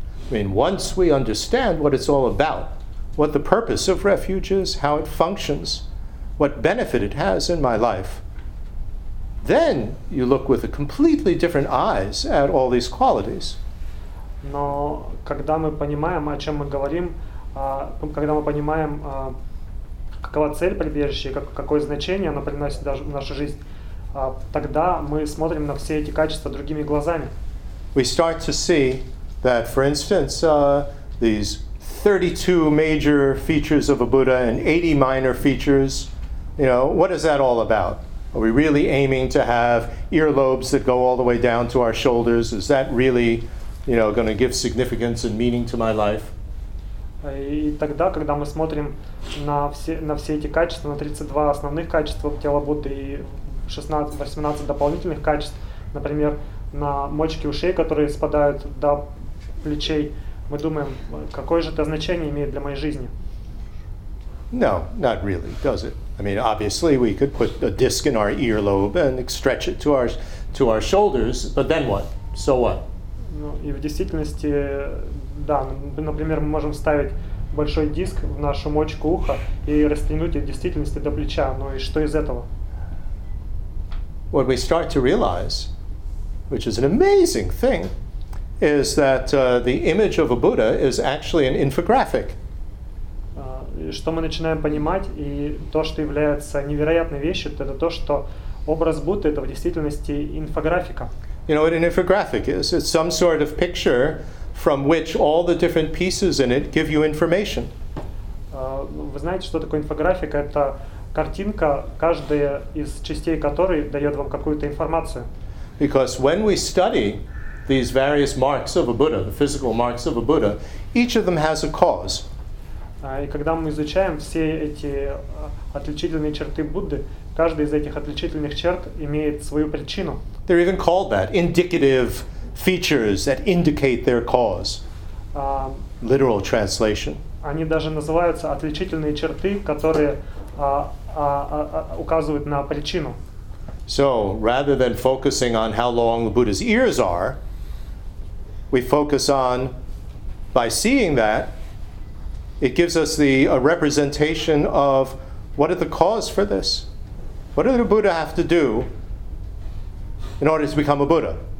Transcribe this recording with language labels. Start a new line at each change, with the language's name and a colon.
English: I mean, once we understand what it's all about, what the purpose of refuge is, how it functions, what benefit it has in my life, then you look with a completely different eyes at all these qualities.
Russian: Но когда мы понимаем, о чем мы говорим, когда мы понимаем, какова цель прибежища, какое значение оно приносит в нашу жизнь, тогда мы смотрим на все эти качества другими глазами.
English: We start to see that, for instance, these 32 major features of a Buddha and 80 minor features, you know, what is that all about? Are we really aiming to have earlobes that go all the way down to our shoulders? Is that really, you know, going to give significance and meaning to my life?
Russian: И тогда, когда мы смотрим на все эти качества, на 32 основных качества тела Будды и 16-18 дополнительных качеств, например, на мочки ушей, которые спадают до плечей, мы думаем, какое же это значение имеет для моей жизни?
English: No, not really, does it? I mean, obviously, we could put a disc in our earlobe and stretch it to our shoulders, but then what? So what?
Russian: Ну, и в действительности, да, например, мы можем вставить большой диск в нашу мочку уха и растянуть ее в действительности до плеча, но и что из этого?
English: What we start to realize, which is an amazing thing, is that the image of a Buddha is actually an infographic.
Russian: Что мы начинаем понимать, и то, что является невероятной вещью, это то, что образ Будды — это в действительности инфографика.
English: You know what an infographic is? It's some sort of picture from which all the different pieces in it give you information.
Russian: Вы знаете, что такое инфографика? Это картинка, каждая из частей которой дает вам какую-то информацию.
English: Because when we study these various marks of a Buddha, the physical marks of a Buddha, each of them has a cause.
Russian: И когда мы изучаем все эти отличительные черты Будды, каждый из этих отличительных черт имеет свою причину.
English: They're even called that, indicative features that indicate their cause. Literal translation.
Russian: Они даже называются отличительные черты, которые указывают на причину.
English: So, rather than focusing on how long the Buddha's ears are, we focus on, by seeing that, it gives us a representation of what are the cause for this? What did the Buddha have to do in order to become a Buddha?